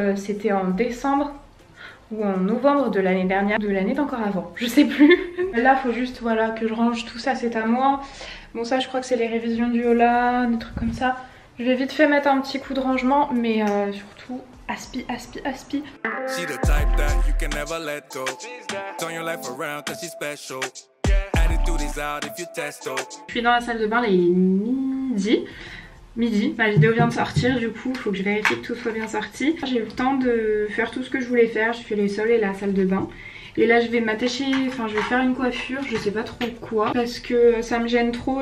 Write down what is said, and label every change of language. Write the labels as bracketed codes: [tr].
[fr] C'était en décembre ou en novembre de l'année dernière. De l'année d'encore avant, je sais plus. Là, faut juste voilà que je range tout ça, c'est à moi. Bon, ça, je crois que c'est les révisions du Yola, des trucs comme ça. Je vais vite fait mettre un petit coup de rangement, mais surtout aspi. [en] She the type that you can never let go. Turn your life around cause she's special. Attitude is out if you test her. [fr] Je suis dans la salle de bain, il est midi. Midi, ma vidéo vient de sortir, du coup faut que je vérifie que tout soit bien sorti. J'ai eu le temps de faire tout ce que je voulais faire, je fais les sols et la salle de bain. Et là je vais m'attacher, enfin je vais faire une coiffure, je sais pas trop quoi, parce que ça me gêne trop.